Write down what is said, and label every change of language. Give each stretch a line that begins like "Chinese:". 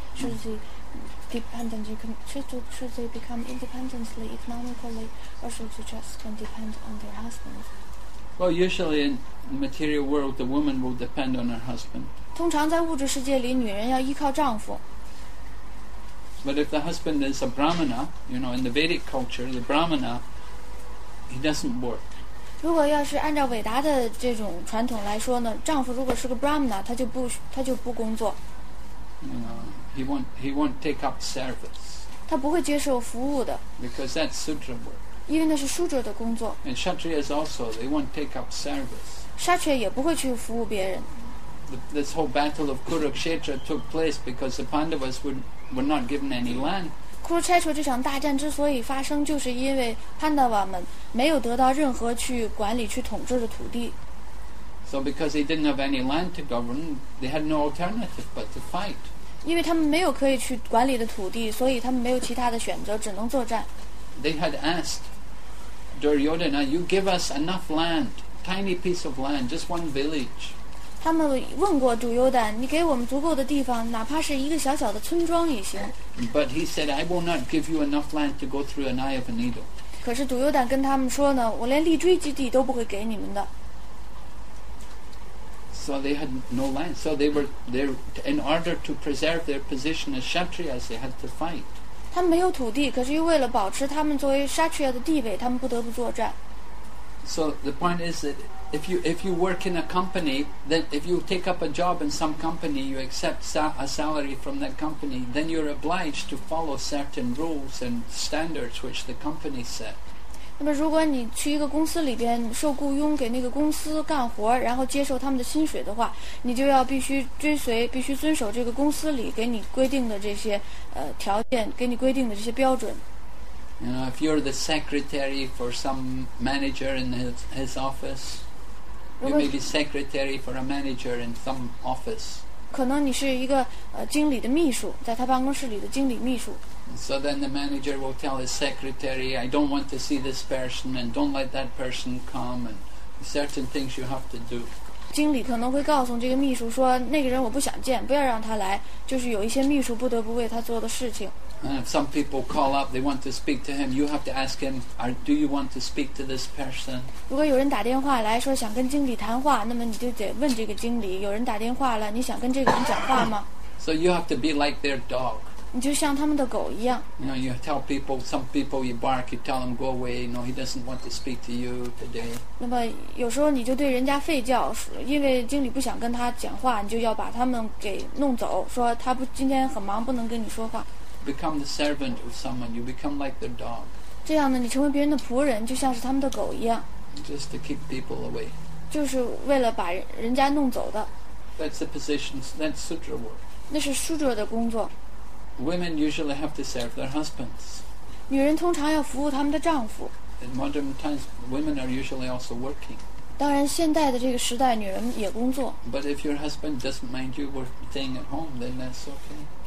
English: Should they dependent? Should they become independently economically, or should they just can depend on their husbands? Well, usually in the material world, the woman will depend on her husband.
Chinese: 通常在物质世界里，女人要依靠丈夫。
English: But if the husband is a Brahmana, you know, in the Vedic culture, the Brahmana, he doesn't work.
Chinese: 如果要是按照伟达的这种传统来说呢，丈夫如果是个 Brahmana, 他就不工作。
English: He won't take up service.
Chinese: 他不会接受服务的。
English: Because that's Sudra work.
Chinese: 因为那是 Sudra 的工作。
English: And Kshatriyas also, they won't take up service.
Chinese: Kshatriya 也不会去服务别人。
English: This whole battle of Kurukshetra took place because the Pandavas were not given any land.
Chinese: Kurukshetra 这场大战之所以发生，就是因为 Pandava 们没有得到任何去管理、去统治的土地。
English: So because they didn't have any land to govern, they had no alternative but to fight.
Chinese: 因为他们没有可以去管理的土地，所以他们没有其他的选择，只能作战。
English: They had asked Duryodhana, "You give us enough land, tiny piece of land, just one village."
Chinese: 他们问过杜优丹，你给我们足够的地方，哪怕是一个小小的村庄也行。
English: But he said, I will not give you enough land to go through an eye of a needle.
Chinese: 可是杜优丹跟他们说呢，我连立锥之地都不会给你们的。
English: So they had no land. So they were there in order to preserve their position as Kshatriyas, they had to fight.
Chinese: 他们没有土地，可是又为了保持他们作为 Kshatriya 的地位，他们不得不作战。
English: So the point is that if you work in a company, then if you take up a job in some company, you accept a salary from that company, then you're obliged to follow certain rules and standards which the company set.
Chinese: 那么如果你去一个公司里边受雇佣给那个公司干活，然后接受他们的薪水的话，你就要必须遵守这个公司里给你规定的这些条件，给你规定的这些标准。
English: You know, if you're the secretary for some manager in his office, you may be secretary for a manager in some office.
Chinese: 可能你是一个经理的秘书，在他办公室里的经理秘书。
English: So then the manager will tell his secretary, I don't want to see this person and don't let that person come and certain things you have to do.
Chinese: 经理可能会告诉这个秘书说那个人我不想见，不要让他来，就是有一些秘书不得不为他做的事情。
English: And if some people call up, they want to speak to him, you have to ask him, do you want to speak to this person?
Chinese: 如果有人打电话来说想跟经理谈话，那么你就得问这个经理，有人打电话了，你想跟这个人讲话吗？
English: So you have to be like their dog.
Chinese: 你就像他们的狗一样。
English: You know, you tell people, some people you bark, you tell them go away, no, he doesn't want to speak to you today.
Chinese: 那么有时候你就对人家吠叫，因为经理不想跟他讲话，你就要把他们给弄走，说他不今天很忙，不能跟你说话。
English: Become the servant of someone, you become like their dog.
Chinese: 这样呢，你成为别人的仆人，就像是他们的狗一样。
English: Just to keep people away.
Chinese: 就是为了把人家弄走的。
English: That's the position, that's sutra work.
Chinese: 那是 sutra 的工作。
English: Women usually have to serve their husbands.
Chinese: 女人通常要服务她们的丈夫。
English: In modern times, women are usually also working.
Chinese: 当然，现代的这个时代，女人也工作。
English: But if your husband doesn't mind you staying at home, then that's okay.